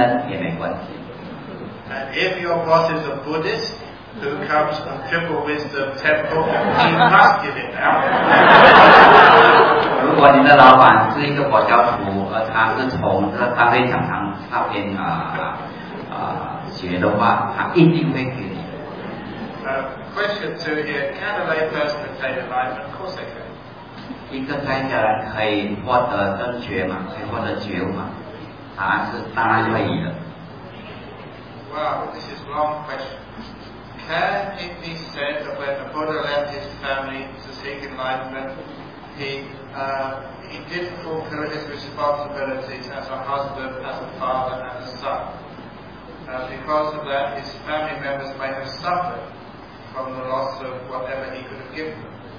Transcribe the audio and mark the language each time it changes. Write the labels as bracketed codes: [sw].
[en] And if your boss is a Buddhist who comes from Triple Wisdom Temple, he must give it out. [zh] 如果你的老板是一个佛教徒，而他是从他非常常他偏啊学的话，他一定会给你。 [en] Question two here: can a lay person attain enlightenment? Of course they can. [zh] 一个在家人可以获得正觉吗？可以获得觉悟吗？答案是当然可以的。 [en] Wow, this is a long question. can it be said that when the Buddha left his family to seek enlightenment, he did fulfill his responsibilities as a husband, as a father, and a son? Because of that, his family members might have suffered from the loss of whatever he could have given them.